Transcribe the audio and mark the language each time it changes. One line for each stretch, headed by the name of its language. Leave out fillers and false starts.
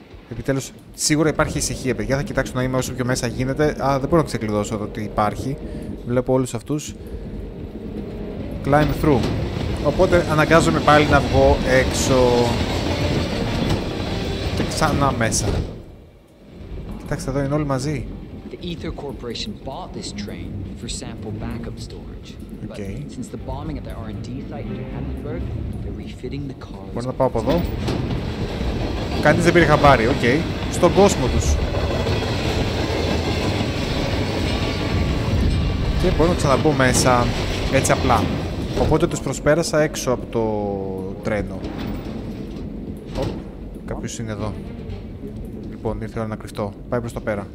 Greek: Επιτέλους, σίγουρα υπάρχει ησυχία, παιδιά. Θα κοιτάξω να είμαι όσο πιο μέσα γίνεται. Α, δεν μπορώ να ξεκλειδώσω εδώ ότι υπάρχει. Βλέπω όλους αυτούς.
English: Climb through.
Greek: Οπότε αναγκάζομαι πάλι να βγω έξω. Και ξανά μέσα. Κοιτάξτε, εδώ είναι όλοι μαζί.
English: The Ether Corporation bought this train for sample backup storage. Okay. But since the bombing of the R&D site in Hamburg, they're refitting the car.
Greek: Μπορώ να πάω από εδώ. Κανείς δεν πήρε χαμπάρι, οκ. Okay. Στον κόσμο τους. Και μπορώ να ξαναμπω μέσα, έτσι απλά. Οπότε τους προσπέρασα έξω από το τρένο. Oh, κάποιος είναι εδώ. Λοιπόν, ήρθε η ώρα να κρυφτώ. Πάει προς τα πέρα.